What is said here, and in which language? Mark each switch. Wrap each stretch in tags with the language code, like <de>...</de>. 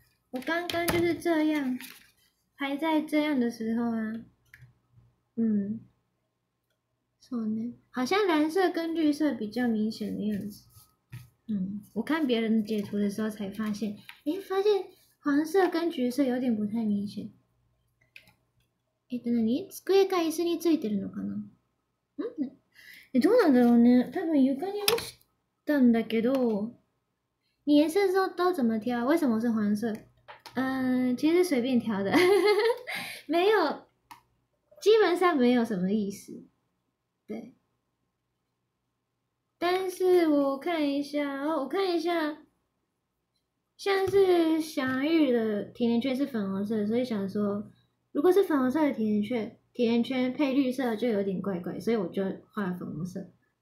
<zh>我刚刚就是这样，还在这样的时候啊。嗯，什么呢？好像蓝色跟绿色比较明显的样子。嗯，我看别人截图的时候才发现，发现黄色跟橘色有点不太明显。那你</zh> <ja>机か椅子についてるのかな？嗯，どうなんだろうね。多分床に落ちたんだけど。</ja> <zh>你颜色都怎么挑？为什么是黄色？嗯，其实随便挑的，没有，基本上没有什么意思。对。但是我看一下，像是祥玉的甜甜圈是粉红色，所以想说，如果是粉红色的甜甜圈配绿色就有点怪怪，所以我就画了粉红色。</zh>